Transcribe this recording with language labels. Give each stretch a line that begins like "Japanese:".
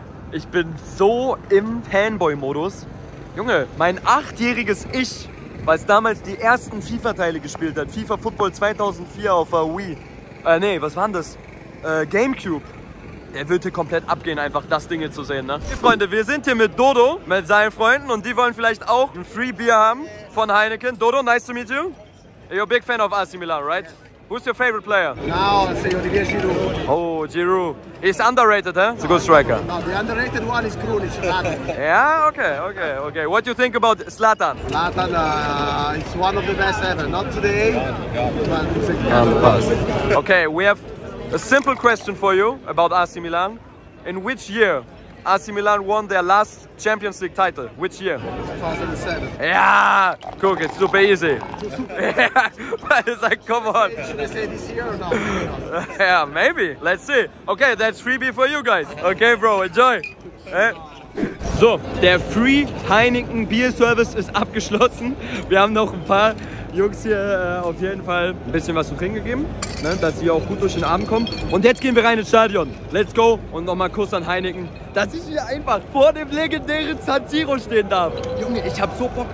German: Ich bin so im Fanboy-Modus. Junge, mein 8-jähriges Ich, was damals die ersten FIFA-Teile gespielt hat, FIFA Football 2004 auf der Wii. Was waren das? GameCube. Der würde komplett abgehen, einfach das Ding hier zu sehen, ne? Hey, Freunde, wir sind hier mit Dodo, mit seinen Freunden und die wollen vielleicht auch ein Free Beer haben von Heineken.
English: Dodo, nice to meet you. You're a big fan of AC Milan, right? Yeah. Who's your favorite player? Now, Olivier Giroud. Oh, Giroud. He's underrated, huh? He's a good striker. No, the underrated one is Krunic, Zlatan. Yeah? Okay. What do you think about Zlatan? Zlatan is one of the best ever. Not today, but in the past. Okay, we have a simple question for you about AC Milan. In which year AC Milan won their last Champions League title? Which year? 2007. Yeah, cool, it's super easy. Super. It's like, come on. Should I say this year or not? Yeah, maybe. Let's see. Okay, that's freebie for you guys. Okay, bro, enjoy.
German: So, der Free Heineken Beer Service ist abgeschlossen. Wir haben noch ein paar Jungs hier auf jeden Fall ein bisschen was zu trinken gegeben, ne, dass sie auch gut durch den Abend kommen. Und jetzt gehen wir rein ins Stadion.
English: Let's go.
German: Und nochmal Kuss an Heineken, dass ich hier einfach vor dem legendären San Siro stehen darf. Junge, ich hab so Bock.